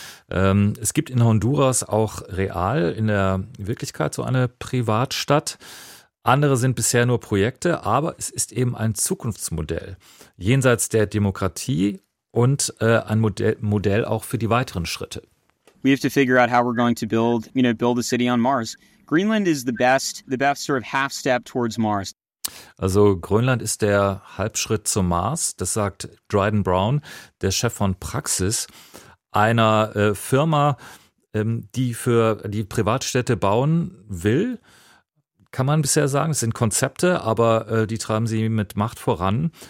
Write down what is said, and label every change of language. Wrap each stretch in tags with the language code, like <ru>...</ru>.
<de>Es gibt in Honduras auch real in der Wirklichkeit so eine Privatstadt. Andere sind bisher nur Projekte, aber es ist eben ein Zukunftsmodell. Jenseits der Demokratie und ein Modell auch für die weiteren Schritte.</de> <en>We have to figure out how we're going to build a city on Mars. Greenland is the best sort of half step towards Mars.</en> <de>Also Grönland ist der Halbschritt zum Mars, das sagt Dryden Brown, der Chef von Praxis, einer Firma, die für die Privatstädte bauen will, kann man bisher sagen. Es sind Konzepte, aber die treiben sie mit Macht voran.</de>